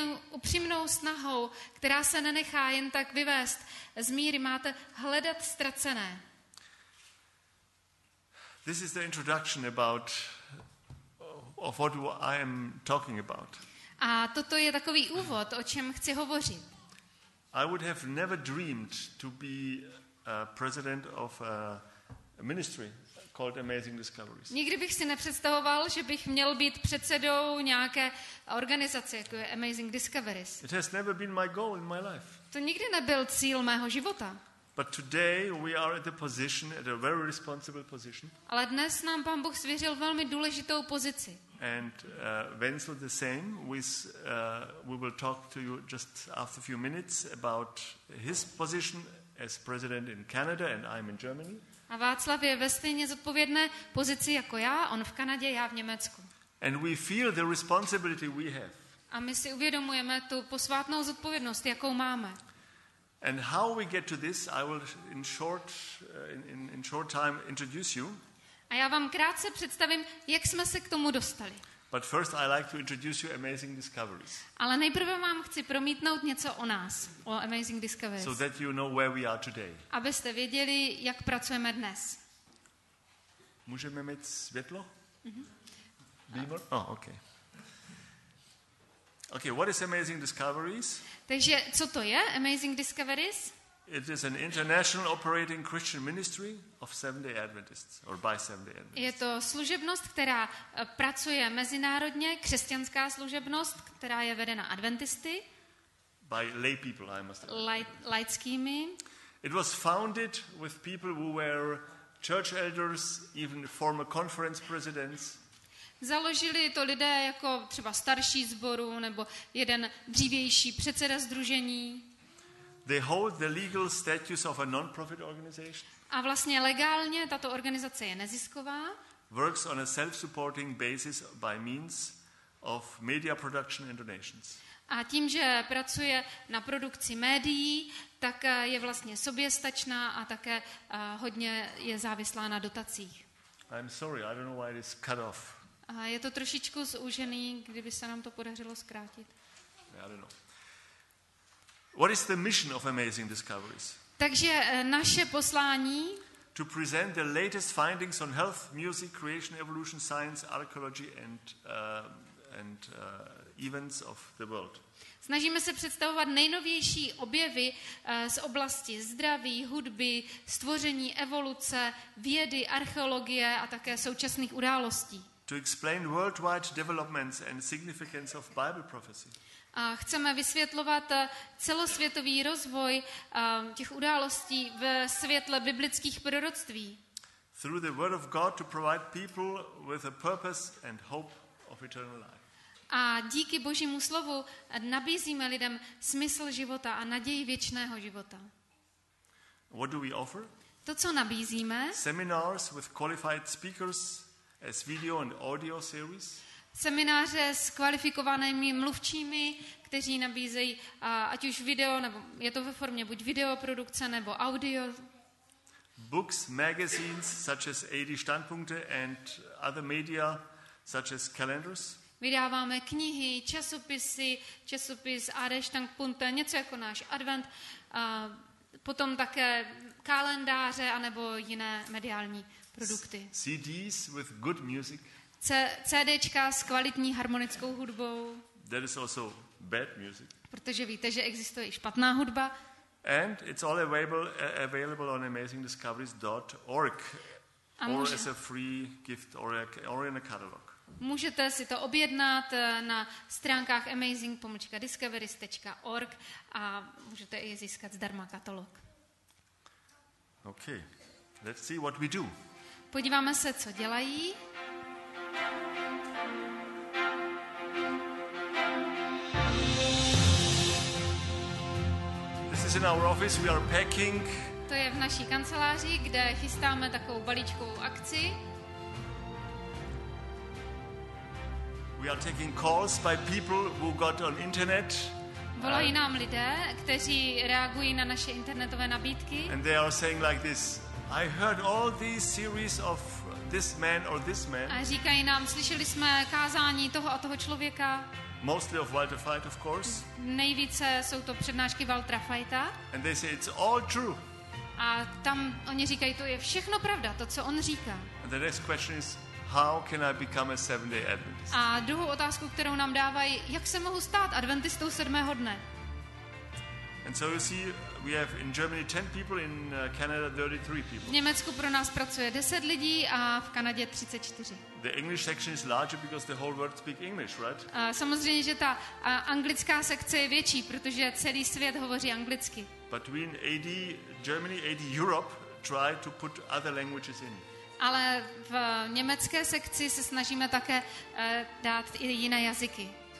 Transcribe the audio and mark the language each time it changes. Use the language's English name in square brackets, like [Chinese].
[Czech] Upřímnou snahou, která se nenechá jen tak vyvést z míry, máte hledat ztracené. [English] This is the introduction about of what I am talking about. [Czech] A toto je takový úvod, o čem chci hovořit. [English] I would have never dreamed to be a president of a ministry called Amazing Discoveries. [Czech] Nikdy bych si nepředstavoval, že bych měl být předsedou nějaké organizace jako je Amazing Discoveries. [English] It has never been my goal in my life. [Czech] To nikdy nebyl cíl mého života. [English] But today we are at a position, at a very responsible position. [Czech] Ale dnes nám Pán Bůh svěřil velmi důležitou pozici. [English] And Wenzel the same with we will talk to you just after a few minutes about his position as president in Canada and I'm in Germany. [Czech] A Václav je ve stejně zodpovědné pozici jako já, on v Kanadě, já v Německu. [English] And we feel the responsibility we have. [Czech] A my si uvědomujeme tu posvátnou zodpovědnost, jakou máme. [English] And how we get to this, I will in short time introduce you. [Czech] A já vám krátce představím, jak jsme se k tomu dostali. [English] But first I like to introduce you Amazing Discoveries. [Czech] Ale nejprve vám chci promítnout něco o nás, o Amazing Discoveries. [English] So that you know where we are today. [Czech] Abyste věděli, jak pracujeme dnes. Můžeme mít světlo? Mhm. Beamer? Oh, okay. [English] Okay, what is Amazing Discoveries? [Czech] Takže co to je Amazing Discoveries? [English] It is an international operating Christian ministry of Seventh-day Adventists or by Seventh-day Adventists. [Czech] Je to služebnost, která pracuje mezinárodně, křesťanská služebnost, která je vedena adventisty. [English] By lay people, I must say. [Czech] Laickými. [English] It was founded with people who were church elders, even former conference presidents. [Czech] Založili to lidé jako třeba starší sboru nebo jeden dřívější předseda sdružení. [English] They hold the legal status of a non-profit organization. [Czech] A vlastně legálně tato organizace je nezisková. [English] Works on a self-supporting basis by means of media production and donations. [Czech] A tím, že pracuje na produkci médií, tak je vlastně soběstačná a také hodně je závislá na dotacích. [English] I'm sorry, I don't know why it is cut off. [Czech] A je to trošičku zúžený, kdyby se nám to podařilo zkrátit. [English] I don't know. What is the mission of Amazing Discoveries? [Czech] Takže naše poslání. [English] To present the latest findings on health, music, creation, evolution, science, archaeology and events of the world. [Czech] Snažíme se představovat nejnovější objevy z oblasti zdraví, hudby, stvoření, evoluce, vědy, archeologie a také současných událostí. [English] To explain worldwide developments and significance of Bible prophecy. [Czech] A chceme vysvětlovat celosvětový rozvoj těch událostí ve světle biblických proroctví. [English] Through the word of God to provide people with a purpose and hope of eternal life. [Czech] A díky Božímu slovu nabízíme lidem smysl života a naději věčného života. [English] What do we offer? [Czech] To, co nabízíme? [English] Seminars with qualified speakers as video and audio series. [Czech] Semináře s kvalifikovanými mluvčími, kteří nabízejí ať už video, nebo je to ve formě buď videoprodukce nebo audio. [English] Books, magazines such as AD Standpunkte and other media such as calendars. [Czech] Vydáváme knihy, časopisy, časopis AD Standpunkte, něco jako náš advent, potom také kalendáře anebo jiné mediální produkty. [English] CDs with good music. [Czech] CDčka s kvalitní harmonickou hudbou. [English] There is also bad music. [Czech] Protože víte, že existuje i špatná hudba. [English] And it's all available on amazingdiscoveries.org or as a free gift or in a catalog. [Czech] Můžete si to objednat na stránkách amazing-discoveries.org a můžete i získat zdarma katalog. [English] Okay. Let's see what we do. [Czech] Podíváme se, co dělají. [English] This is in our office. We are packing. [Czech] To je v naší kanceláři, kde chystáme takovou balíčkovou akci. [English] We are taking calls by people who got on internet. [Czech] Volají nám lidé, kteří reagují na naše internetové nabídky. [English] And they are saying like this: I heard all these series of this man or this man. [Czech] A říkají nám, slyšeli jsme kázání toho a toho člověka. [English] Mostly of Walter Feit, of course. [Czech] Nejvíce jsou to přednášky Waltera Feita. [English] And they say it's all true. [Czech] A tam oni říkají, to je všechno pravda, to co on říká. [English] And the next question is, how can I become a Seventh-day Adventist? [Czech] A druhou otázku, kterou nám dávají, jak se mohu stát adventistou sedmého dne? [English] And so you see, we have in Germany 10 people, in Canada 33 people. [Czech] V Německu pro nás pracuje 10 lidí a v Kanadě 34. [English] The English section is larger because the whole world speaks English, right? [Czech] Samozřejmě, že ta anglická sekce je větší, protože celý svět hovoří anglicky. [English] But we in AD Germany, AD Europe try to put other languages in. [Czech] Ale v německé sekci se snažíme také dát i jiné jazyky.